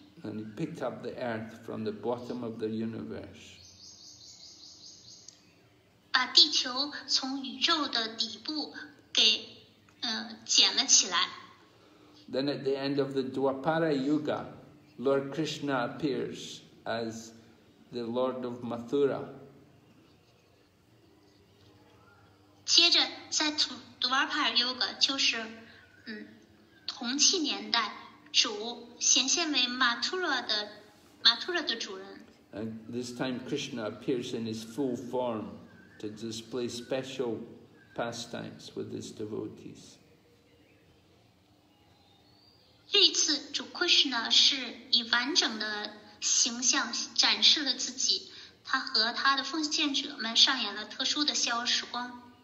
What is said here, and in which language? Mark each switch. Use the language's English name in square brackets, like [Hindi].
[English] And he picked up the earth from the bottom of the universe. [Chinese] 把地球从宇宙的底部给捡了起来。 [English] Then at the end of the Dwapara Yuga, Lord Krishna appears as the Lord of Mathura. [Chinese] 接着在杜瓦帕尤格就是同期年代主显现为马图拉的主人。 [English] And this time Krishna appears in his full form to display special pastimes with his devotees. [Chinese] 这一次主 Krishna 是以完整的形象展示了自己，他和他的奉献者们上演了特殊的逍遥时光。